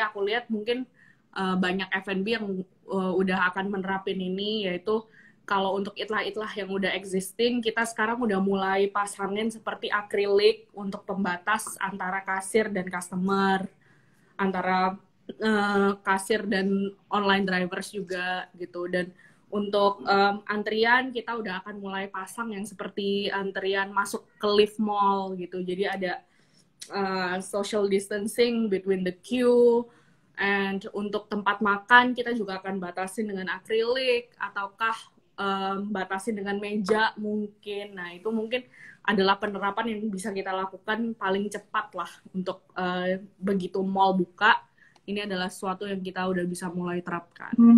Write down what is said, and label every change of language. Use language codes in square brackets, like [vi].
[id] Aku lihat mungkin banyak F&B yang udah akan menerapin ini, yaitu kalau untuk Itlah-Itlah yang udah existing, kita sekarang udah mulai pasangin seperti akrilik untuk pembatas antara kasir dan customer, antara kasir dan online drivers juga gitu. Dan untuk antrian kita udah akan mulai pasang yang seperti antrian masuk ke lift mall gitu. [en] Jadi ada social distancing between the queue. [id] And untuk tempat makan kita juga akan batasin dengan akrilik, ataukah batasi dengan meja mungkin. Nah, itu mungkin adalah penerapan yang bisa kita lakukan paling cepat lah untuk begitu mall buka. Ini adalah suatu yang kita udah bisa mulai terapkan.